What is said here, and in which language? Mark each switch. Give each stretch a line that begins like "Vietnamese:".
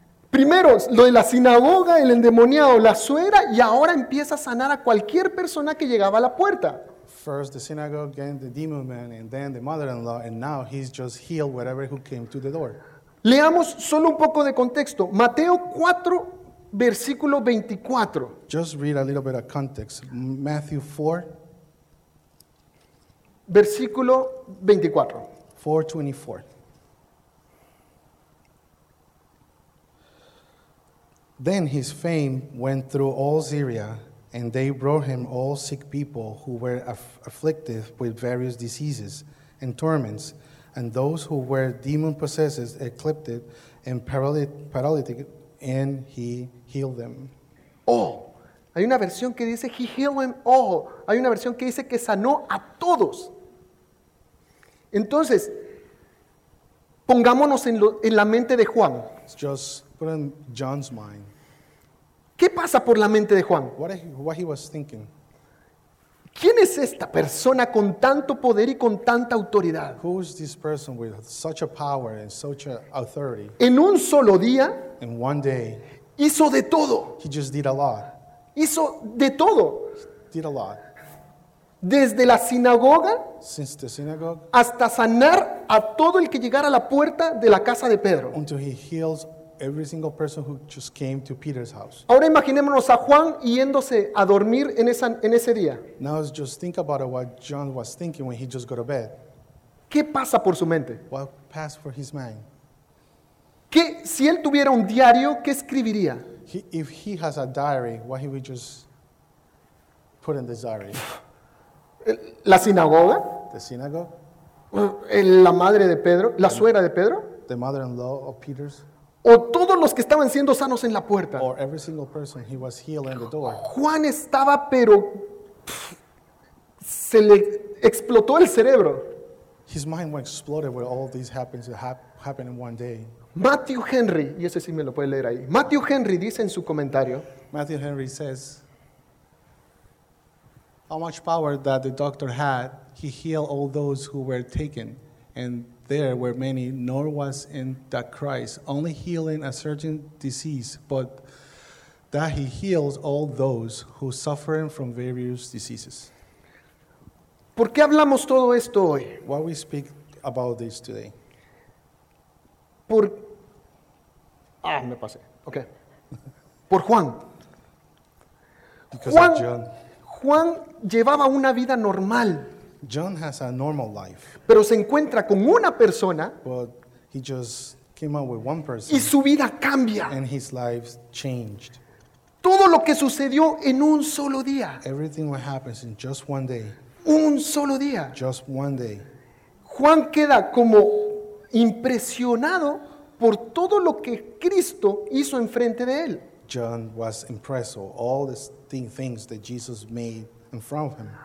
Spanish: Primero, lo de la sinagoga, el endemoniado, la suegra, y ahora empieza a sanar a cualquier persona que llegaba a la puerta.
English: First the synagogue, then the demon man, and then the mother-in-law, and now he's just healed whatever who came to the door.
Spanish: Leamos solo un poco de contexto. Mateo 4, versículo 24.
English: Just read a little bit of context. Matthew 4.
Spanish: Versículo 24.
English: 424. Then his fame went through all Syria, and they brought him all sick people who were afflicted with various diseases and torments, and those who were demon-possessed, afflicted, and paralytic, and he healed them. All.
Spanish: Oh, hay una versión que dice,
English: he healed them all.
Spanish: Hay una versión que dice que sanó a todos. Entonces, pongámonos en la mente de Juan.
English: Just put in John's mind.
Spanish: ¿Qué pasa por la mente de Juan?
English: What he was thinking.
Spanish: ¿Quién es esta persona con tanto poder y con tanta autoridad?
English: Who is this person with such a power and such a authority?
Spanish: En un solo día,
English: in one day,
Spanish: hizo de todo.
English: He just did a lot.
Spanish: Hizo de todo.
English: He did a lot.
Spanish: Desde la sinagoga,
English: since the synagogue,
Spanish: hasta sanar a todo el que llegara a la puerta de la casa de Pedro.
English: Until he heals every single person who just came to Peter's house.
Spanish: Ahora imaginémonos a Juan yéndose a dormir en ese día.
English: Now just think about what John was thinking when he just got to bed.
Spanish: ¿Qué pasa por su mente?
English: What passed for his mind?
Spanish: ¿Qué, si él tuviera un diario, qué escribiría?
English: If he has a diary, what he would just put in this diary?
Spanish: La sinagoga.
English: The synagogue.
Spanish: La madre de Pedro, la suegra de Pedro.
English: The mother-in-law of Peter's.
Spanish: O todos los que estaban siendo sanos en la puerta.
English: Or every single person he was healed in the door.
Spanish: Juan estaba, pero se le explotó el cerebro.
English: His mind was exploded with all these happenings that happened in one day.
Spanish: Matthew Henry, y ese sí me lo puede leer ahí. Matthew Henry dice en su comentario.
English: Matthew Henry says, how much power that the doctor had, he healed all those who were taken, and there were many, nor was in that Christ only healing a certain disease, but that he heals all those who suffer from various diseases.
Spanish: ¿Por qué hablamos todo esto hoy?
English: Why we speak about this today?
Spanish: Por... Ah, me pasé. Okay. Por Juan.
English: Because Juan, of John.
Spanish: Juan llevaba una vida normal.
English: John has a normal life.
Spanish: Pero se encuentra con una persona.
English: But he just came out with one person.
Spanish: Y su vida cambia.
English: And his life changed.
Spanish: Todo lo que sucedió en un solo día.
English: Everything what happens in just one day.
Spanish: Un solo día.
English: Just one day.
Spanish: Juan queda como impresionado por todo lo que Cristo hizo enfrente de él.
English: John was impressed with all the things that Jesus made in front of him.